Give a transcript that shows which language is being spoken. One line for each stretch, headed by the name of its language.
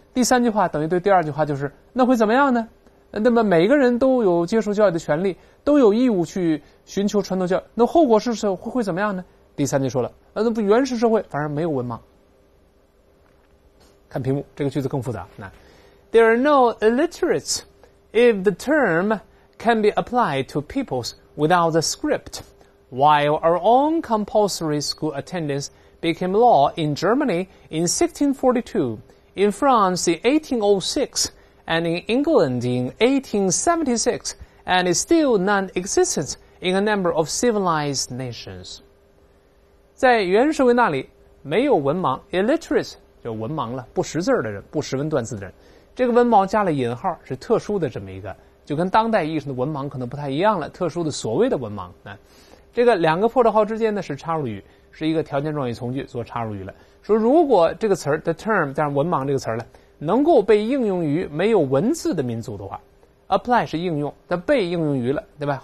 Chinese: 第三句话等于对第二句话就是那会怎么样呢？那么每个人都有接受教育的权利，都有义务去寻求传统教育，那后果是会怎么样呢？第三句说了那不原始社会反而没有文盲。看屏幕，这个句子更复杂。
English: There are no illiterates if the term can be applied to peoples without the script. While our own compulsory school attendance became law in Germany in 1642, in France in 1806, and in England in 1876, and is still non-existent in a number of civilized nations.
Chinese: 在原始社会那里，没有文盲 illiterate 就文盲了，不识字的人，不识文断字的人。这个文盲加了引号，是特殊的这么一个，就跟当代意义上的文盲可能不太一样了，特殊的所谓的文盲。这个两个破折号之间呢是插入语，是一个条件状语从句做插入语了。说如果这个词 the term 加上文盲这个词呢，能够被应用于没有文字的民族的话， apply 是应用，但被应用于了，对吧？